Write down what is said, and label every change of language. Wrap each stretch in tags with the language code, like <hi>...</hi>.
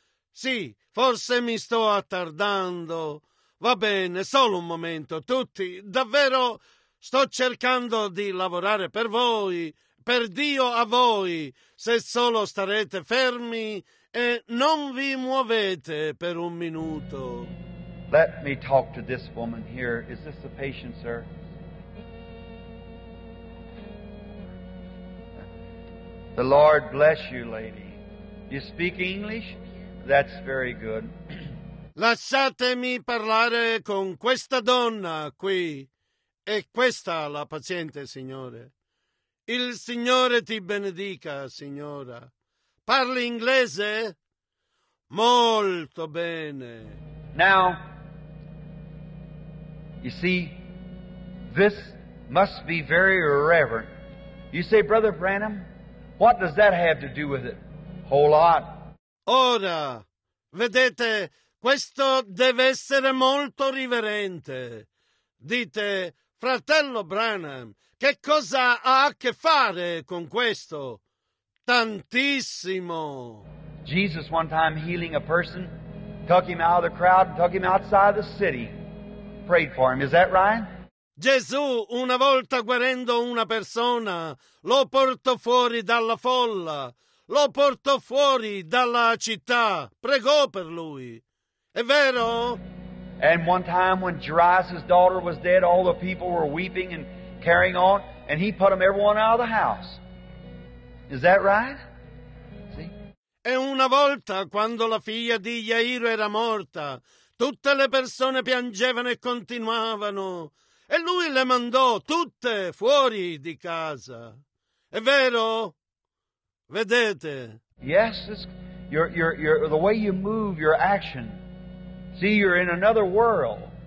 <it>Sì, forse mi sto attardando. Va bene, solo un momento, tutti. Davvero sto cercando di lavorare per voi, per Dio a voi, se solo starete fermi e non vi muovete per un minuto.</it> <en>Let me talk to this woman here. Is this a patient, sir? The Lord bless you, lady. You speak English? That's very good.</en> <it>Lasciatemi parlare con questa donna qui. È questa la paziente, signore. Il Signore ti benedica, signora. Parli inglese? Molto bene.</it> <en>Now, you see, this must be very reverent. You say, Brother Branham, what does that have to do with it? Whole lot.</en> <it>Ora, vedete, questo deve essere molto riverente. Dite, fratello Branham, che cosa ha a che fare con questo? Tantissimo.</it> <en>Jesus, one time healing a person, took him out of the crowd, took him outside the city, prayed for him. Is that right?</en> <it>Gesù, una volta guarendo una persona, lo portò fuori dalla folla, lo portò fuori dalla città, pregò per lui. È vero?</it> <en>And one time when Jairus' daughter was dead, all the people were weeping and carrying on, and he put them everyone out of the house. Is that right? See?</en> <it>E una volta, quando la figlia di Jairo era morta, tutte le persone piangevano e continuavano. E lui le mandò tutte fuori di casa. È vero? Vedete?</it> <en>Yes, it's your the way you move, your action. See, you're in another world.</en>